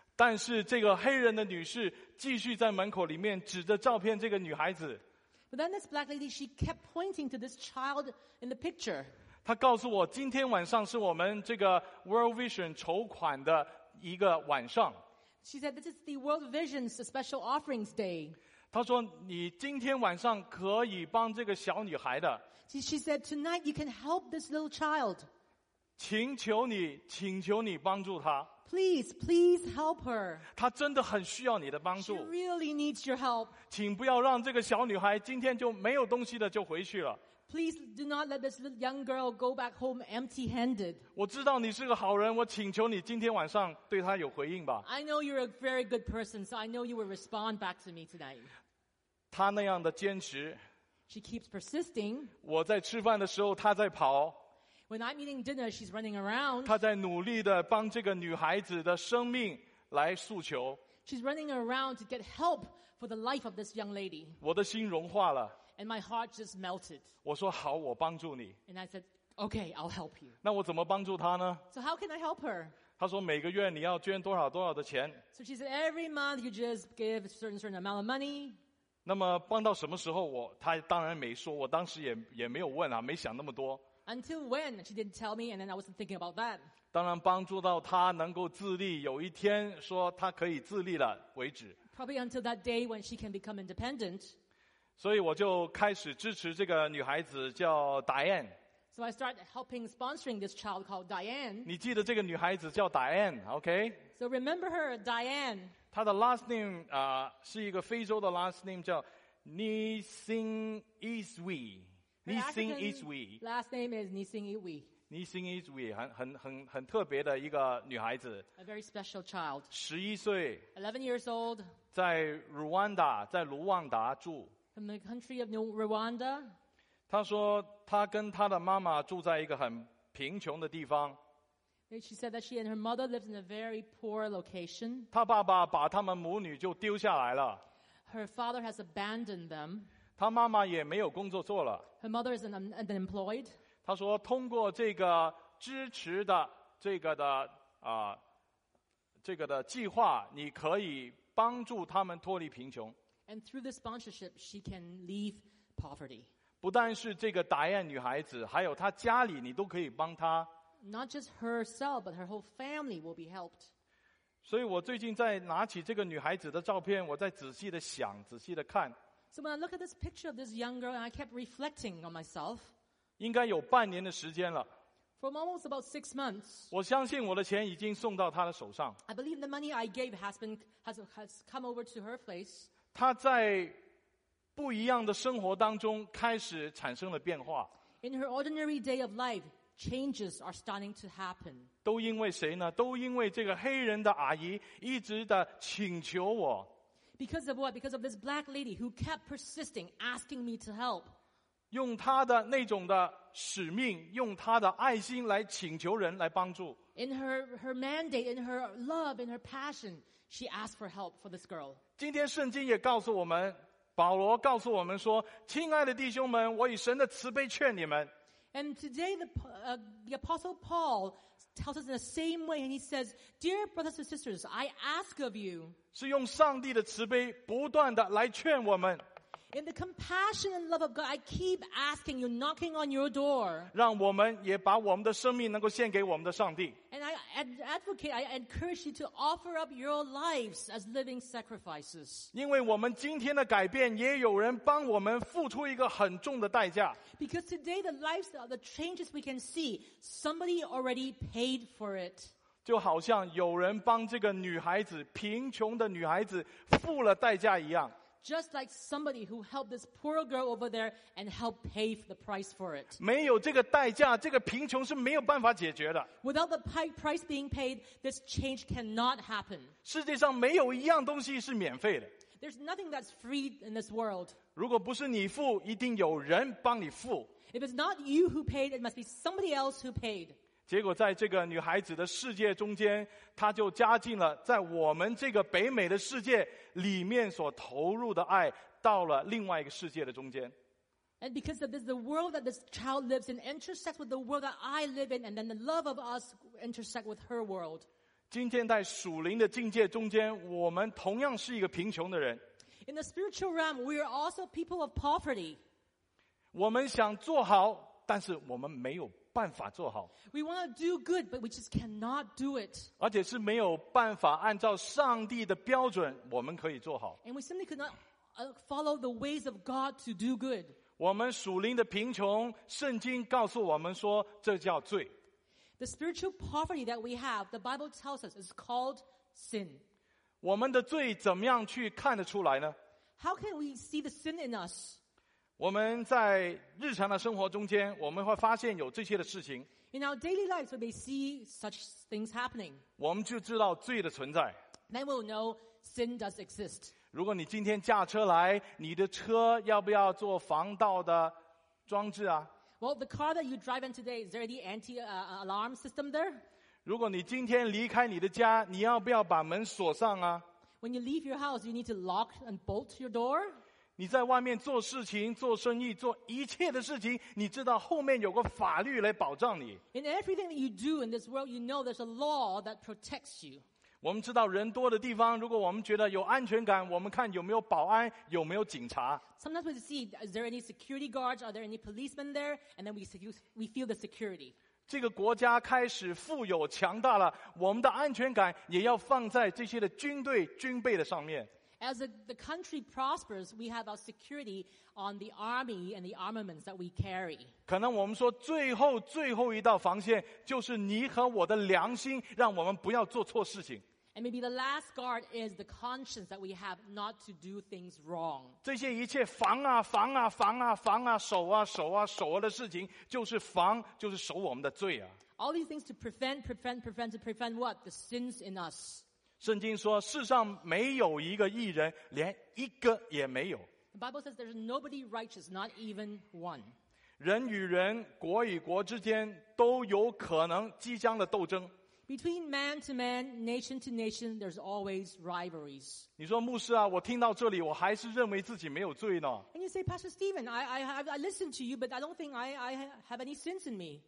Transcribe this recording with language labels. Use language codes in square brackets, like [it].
[zh] 但是这个黑人的女士继续在门口里面指着照片这个女孩子。 [en] But then this black lady, she kept pointing to this child in the picture. [zh] 她告诉我，今天晚上是我们这个 World Vision 筹款的。一个晚上 [en] She said, this is the World Vision's special offerings day. [zh] 她说你今天晚上可以帮这个小女孩的 [en] She said, tonight you can help this little child. [zh] 请求你帮助她 [en] Please help her. [zh] 她真的很需要你的帮助 [en] She really needs your help. [zh] 请不要让这个小女孩今天就没有东西的就回去了 [en] Please do not let this little young girl go back home empty-handed. [zh] 我知道你是个好人，我请求你今天晚上对她有回应吧。 [en] I know you're a very good person, so I know you will respond back to me tonight. [zh] 她那样的坚持。 [en] She keeps persisting. [zh] 我在吃饭的时候，她在跑。 [en] When I'm eating dinner, she's running around. [zh] 她在努力地帮这个女孩子的生命来诉求。 [en] She's running around to get help for the life of this young lady. [zh] 我的心融化了。 [en] And my heart just melted. [zh] 我说好，我帮助你。 [en] And I said, okay, I'll help you. [zh] 那我怎么帮助她呢？ [en] So how can I help her? [zh] 她说每个月你要捐多少多少的钱。 [en] So she said, every month you just give a certain amount of money. [zh] 那么帮到什么时候我他当然没说我当时 也没有问啊没想那么多 [en] Until when? She didn't tell me and then I wasn't thinking about that [zh] 当然帮助到他能够自立有一天说他可以自立了为止 [en] Probably until that day when she can become independent [zh] 所以我就开始支持这个女孩子叫 Diane [en] So I started helping sponsoring this child called Diane [zh] 你记得这个女孩子叫 Diane OK [en] So remember her Diane [zh] 她的 [en] last name、 [zh] 是一个非洲的 [en] last name [zh] 叫 Nisin Iswi Nisin Iswi [en] last name is Nisin Iswi [zh] Nisin Iswi 很特别的一个女孩子 [en] a very special child [zh] 11岁 [en] 11 years old [zh] 在 Rwanda 在卢旺达住 [en] from the country of Rwanda [zh] 她说她跟她的妈妈住在一个很贫穷的地方 [en] She said that she and her mother lived in a very poor location. [zh] 她爸爸把他们母女就丢下来了。 [en] Her father has abandoned them. [zh] 她妈妈也没有工作做了。 [en] Her mother is unemployed. [zh] 她说通过这个支持的这个的计划，你可以帮助他们脱离贫穷。 [en] And through this sponsorship, she can leave poverty. [zh] 不但是这个达彦女孩子，还有她家里，你都可以帮她。 [en] Not just herself, but her whole family will be helped. [zh] 所以我最近在拿起这个女孩子的照片，我在仔细的想，仔细的看。 [en] So when I look at this picture of this young girl, and I kept reflecting on myself. [zh] 应该有半年的时间了。 [en] From almost about 6 months. [zh] 我相信我的钱已经送到她的手上。 [en] I believe the money I gave has come over to her place. [zh] 她在不一样的生活当中开始产生了变化。 [en] In her ordinary day of life. Changes are starting to happen. [zh] 都因为谁呢？都因为这个黑人的阿姨一直的请求我。 [en] Because of what? Because of this black lady who kept persisting, asking me to help. [zh] 用她的那种的使命，用她的爱心来请求人来帮助。 [en] In her mandate, in her love, in her passion, she asked for help for this girl. [zh] 今天圣经也告诉我们，保罗告诉我们说：“亲爱的弟兄们，我以神的慈悲劝你们。” [en] And today the Apostle Paul tells us in the same way, and he says, Dear brothers and sisters, I ask of you, [zh] 是用上帝的慈悲不断地来劝我们。 [en] In the compassion and love of God, I keep asking you, knocking on your door, [zh] 让我们也把我们的生命能够献给我们的上帝。 [en] And I advocate, I encourage you to offer up your lives as living sacrifices. [zh] 因为我们今天的改变也有人帮我们付出一个很重的代价。 [en] Because today the lives, the changes we can see, somebody already paid for it. [zh] 就好像有人帮这个女孩子，贫穷的女孩子付了代价一样。 [en] Just like somebody who helped this poor girl over there and helped pay for the price for it. [zh] 没有这个代价，这个贫穷是没有办法解决的。 [en] Without the price being paid, this change cannot happen. [zh] 世界上没有一样东西是免费的。 [en] There's nothing that's free in this world. [zh] 如果不是你付，一定有人帮你付。 [en] If it's not you who paid, it must be somebody else who paid. [zh] 结果在这个女孩子的世界中间，她就加进了在我们这个北美的世界。里面所投入的爱到了另外一个世界的中间。 [en] And because of this, the world that this child lives in intersects with the world that I live in, and then the love of us intersects with her world. [zh] 今天在属灵的境界中间，我们同样是一个贫穷的人。 [en] In the spiritual realm, we are also people of poverty. [zh] 我们想做好，但是我们没有办法做好。 [en] We want to do good, but we just cannot do it. [zh] 而且是没有办法按照上帝的标准，我们可以做好。 [en] And we simply could not follow the ways of God to do good. [zh] 我们属灵的贫穷，圣经告诉我们说，这叫罪。 [en] The spiritual poverty that we have, the Bible tells us, is called sin. [zh] 我们的罪怎么样去看得出来呢？ [en] How can we see the sin in us? [zh] 我们在日常的生活中间，我们会发现有这些的事情。 [en] In our daily lives, we may see such things happening. [zh] 我们就知道罪的存在。 [en] Then we'll know sin does exist. [zh] 如果你今天驾车来，你的车要不要做防盗的装置啊 [en] Well, the car that you drive in today, is there the anti-alarm system there? [zh] 如果你今天离开你的家，你要不要把门锁上啊？ [en] When you leave your house, you need to lock and bolt your door? [zh] 你在外面做事情、做生意、做一切的事情，你知道后面有个法律来保障你。 [en] In everything that you do in this world, you know there's a law that protects you. [zh] 我们知道人多的地方，如果我们觉得有安全感，我们看有没有保安，有没有警察。 [en] Sometimes we see, is there any security guards? Are there any policemen there? And then we feel the security. [zh] 这个国家开始富有强大了，我们的安全感也要放在这些的军队军备的上面。 [en] As the country prospers, we have our security on the army and the armaments that we carry. [zh] 可能我们说最后最后一道防线就是你和我的良心，让我们不要做错事情。 [en] And maybe the last guard is the conscience that we have not to do things wrong. [zh] 这些一切防啊防啊防啊防啊守啊守啊守啊的事情，就是防，就是守我们的罪啊。 [en] All these things to prevent, prevent, prevent, to prevent what? The sins in us. [zh] 圣经说世上没有一个义人，连一个也没有。 [en] The Bible says there's nobody righteous, not even one. [zh] 人与人，国与国之间都有可能即将的斗争。 [en] Between man to man, nation to nation, there's always rivalries. [zh] 你说牧师啊，我听到这里我还是认为自己没有罪呢。 [en] And you say, Pastor Stephen, I listen to you, but I don't think I have any sins in me.